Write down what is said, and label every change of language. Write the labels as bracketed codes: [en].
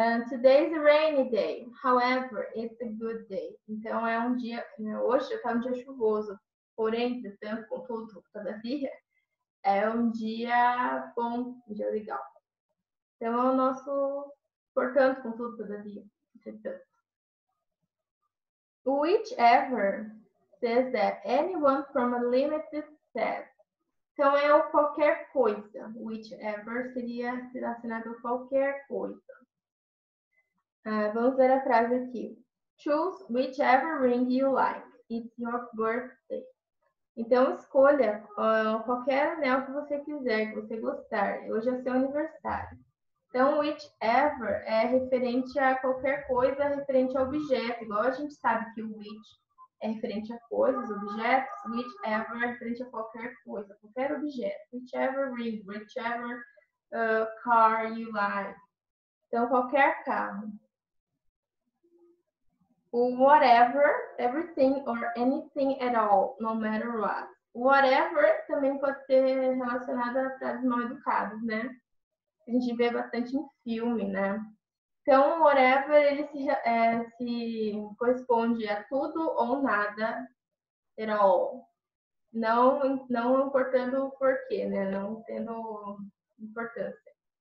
[en] Today is a rainy day. However, it's a good day. [pt] Então, é um dia. Hoje está um dia chuvoso. Porém, entretanto, contudo, todavia. É um dia bom, um dia legal. Então é o nosso, portanto, com tudo, todavia. [en] Whichever says that anyone from a limited set. [pt] Então é o qualquer coisa. Whichever seria relacionado a qualquer coisa. Vamos ver a frase aqui. [en] Choose whichever ring you like. It's your birthday. [pt] Então, escolha qualquer anel que você quiser, que você gostar. Hoje é seu aniversário. Então, whichever é referente a qualquer coisa, referente ao objeto. Igual a gente sabe que o which é referente a coisas, objetos. Whichever é referente a qualquer coisa, qualquer objeto. [en] Whichever ring, whichever car you like. [pt] Então, qualquer carro. [en] Whatever, everything or anything at all, no matter what. [pt] Whatever também pode ser relacionado a frases mal educadas, né? A gente vê bastante em filme, né? Então, whatever, ele se corresponde a tudo ou nada, at all. Não importando o porquê, né? Não tendo importância.